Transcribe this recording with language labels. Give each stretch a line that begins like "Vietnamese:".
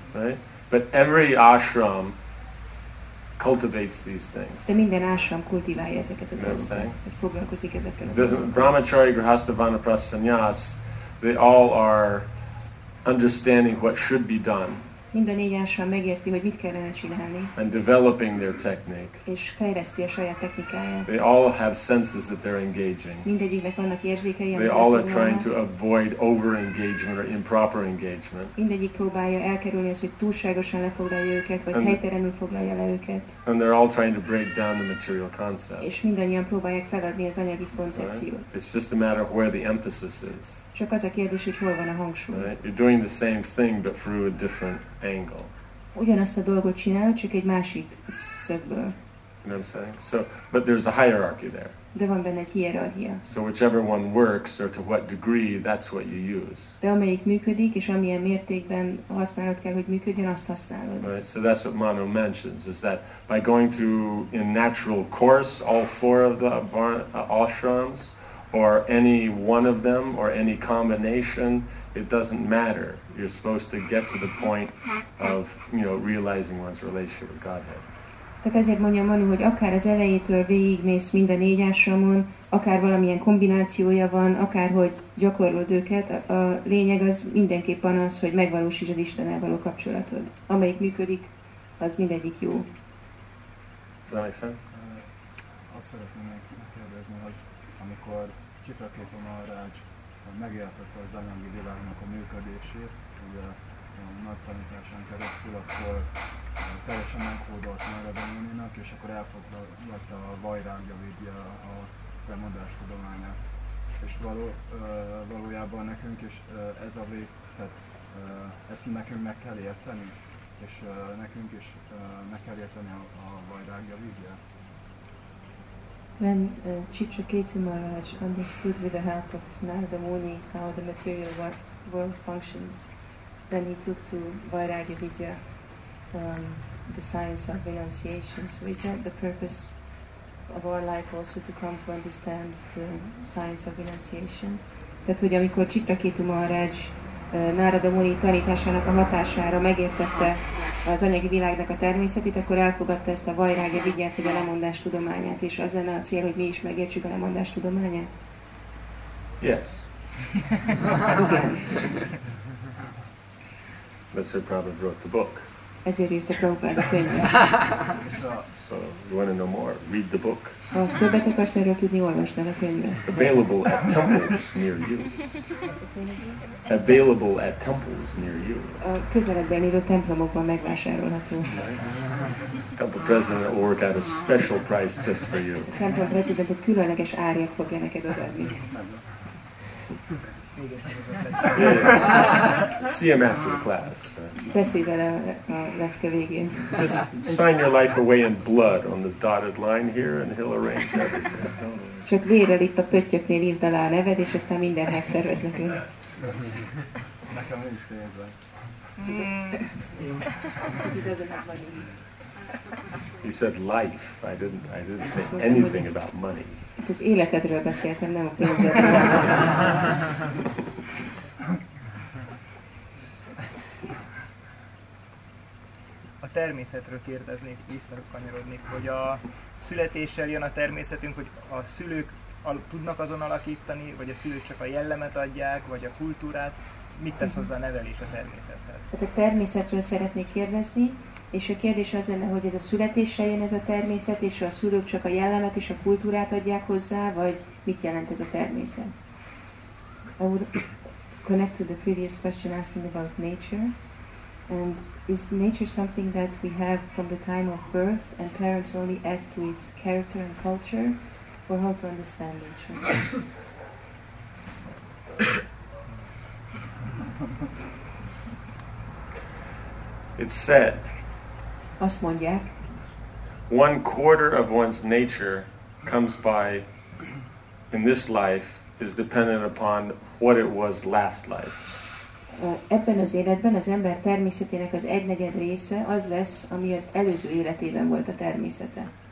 English: Right? But every ashram cultivates these things.
Hungarian: De minden ashram kultiválja ezeket a dolgokat. Foglalkozik ezekkel a dolgokat.
English: Brahmacharya, grihastha, vanaprastha, sannyas, they all are understanding what should be done.
Hungarian: mind a négy ásrám megérti, hogy mit kellene csinálni.
English: And developing their technique.
Hungarian: És fejleszti a saját technikáját.
English: They all have senses that they're engaging.
Hungarian: Mindegyiknek vannak érzékei.
English: They all are trying to avoid over-engagement or improper engagement.
Hungarian: Mindegyik próbálja elkerülni azt, hogy túlságosan lefoglalja őket, vagy helytelenül foglalja le őket.
English: And they're all trying to break down the material concept.
Hungarian: És mindannyian próbálják feladni az anyagi koncepciót.
English: Right? It's just a matter of where the emphasis is.
Hungarian: Csak az a kérdés, hogy hol van a hangsúly.
English: Right? You're doing the same thing, but through a different angle.
Hungarian: Ugyanazt a dolgot csinál, csak egy másik szögből.
English: You know what I'm saying? So, but there's a hierarchy there.
Hungarian: De van benne egy hierarchia.
English: So whichever one works, or to what degree, that's what you use.
Hungarian: De amelyik működik, és amilyen mértékben használod kell, hogy működjön, azt használod.
English: Right? So that's what Manu mentions, is that by going through in natural course all four of the ashrams, or any one of them, or any combination, it doesn't matter. You're supposed to get to the point of, you know, realizing one's relationship with Godhead.
Hungarian: Tehát ezért mondja Manu, hogy akár az elejétől végigmész mind a négy ásramon, akár valamilyen kombinációja van, akár hogy gyakorlod őket, a lényeg az mindenképpen az, hogy megvalósítsd az Istennel való kapcsolatod. Amelyik működik, az mindegyik jó.
English: That makes sense?
Hungarian: Azt szeretném megkérdezni, hogy amikor kifeklítom a rács, hogy megértette az anyagi világnak a működését, ugye a nagy tanításán keresztül, akkor teljesen meghódolt Maradoninak, és akkor elfoglalt a vajrágya vidja a bemondás tudományát. És valójában nekünk is ez a vég, tehát ezt nekünk meg kell érteni, és nekünk is meg kell érteni a vajrágya vidja.
English: When Chitraketu Maharaj understood with the help of Narada Muni how the material world functions, then he took to Vairagya Vidya, the science of renunciation. So is that the purpose of our life also to come to understand the science of renunciation?
Hungarian: Tehát, hogy amikor Chitraketu Maharaj Narada Muni tanításának a hatására megértette az anyagi világnak a természetét, akkor elfogadta ezt a Vairagya Vidyát, hogy a lemondás tudományát, és az lenne a cél, hogy mi is megértsük a lemondás tudományát?
English: Yes. That's why Prabhupada wrote the book.
Hungarian: Ezért írta Prabhupada a könyvet.
English: So, you want to know more? Read the book.
Hungarian: Ha többet akarsz erről tudni, olvasd el a könyvet.
English: Available at temples near you. Available at temples near you.
Hungarian: A közeledben lévő templomokban megvásárolható.
English: Temple president will work out a special price just for you.
Hungarian: A templom president egy különleges árat fogja neked adni.
English: See him after the class.
Hungarian: Beszélj vele a lecke végén.
English: Just sign your life away in blood on the dotted line here and he'll arrange everything.
Hungarian: Csak vérrel itt a pöttyöknél írd alá a neved, és aztán mindent megszervez nekünk. Nekem nincs pénzem.
English: You said life. I didn't say anything about money.
Hungarian: Itt az életedről beszéltem, nem a pénzedről. A természetről kérdeznék, visszakanyarodnék, hogy a születéssel jön a természetünk, hogy a szülők tudnak azon alakítani, vagy a szülők csak a jellemet adják, vagy a kultúrát. Mit tesz hozzá a nevelés a természethez? Tehát a természetről szeretnék kérdezni. És a kérdés az lenne, hogy ez a születéssel jön ez a természet, és a szülők csak a jellemet és a kultúrát adják hozzá, vagy mit jelent ez a természet?
English: I would connect to the previous question asking about nature. And is nature something that we have from the time of birth and parents only add to its character and culture? Or how to understand nature? It's said.
Hungarian: Azt mondják.
English: One quarter of one's nature comes by in this life is dependent upon what it was last life.
Hungarian: Ebben az életben az ember természetének az egynegyed része az lesz, ami az előző életében volt a természete.